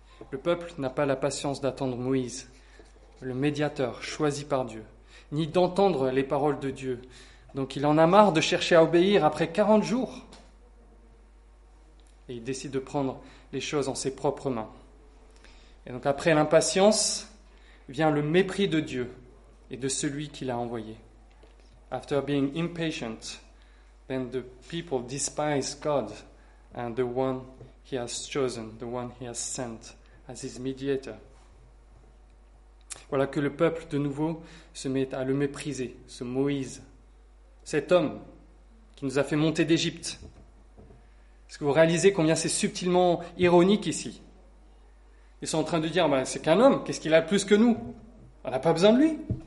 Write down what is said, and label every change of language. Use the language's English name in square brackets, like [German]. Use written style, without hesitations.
[French] Le peuple n'a pas la patience d'attendre Moïse, le médiateur choisi par Dieu, ni d'entendre les paroles de Dieu. Donc il en a marre de chercher à obéir après 40 jours. Et il décide de prendre les choses en ses propres mains. Et donc après l'impatience, vient le mépris de Dieu et de celui qui l'a envoyé. [English] After being impatient, then the people despise God and the one he has chosen, the one he has sent as his mediator. [French] Voilà que le peuple, de nouveau, se met à le mépriser, ce Moïse, cet homme qui nous a fait monter d'Égypte. Est-ce que vous réalisez combien c'est subtilement ironique ici? Ils sont en train de dire, c'est qu'un homme, qu'est-ce qu'il a de plus que nous? On n'a pas besoin de lui.